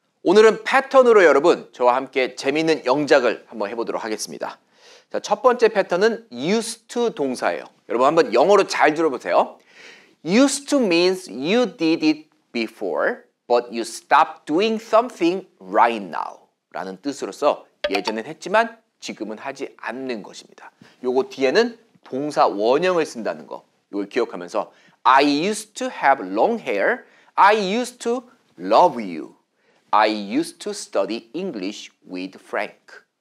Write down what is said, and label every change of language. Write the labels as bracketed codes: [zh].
[ko] 오늘은 패턴으로 여러분 저와 함께 재미있는 영작을 한번 해보도록 하겠습니다. 자, 첫 번째 패턴은 used to 동사예요. 여러분 한번 영어로 잘 들어보세요. [en] Used to means you did it before, but you stopped doing something right now. [ko] 라는 뜻으로서 예전엔 했지만 지금은 하지 않는 것입니다. 요거 뒤에는 동사 원형을 쓴다는 거. 이걸 기억하면서 [en] I used to have long hair. I used to love you. I used to study English with Frank.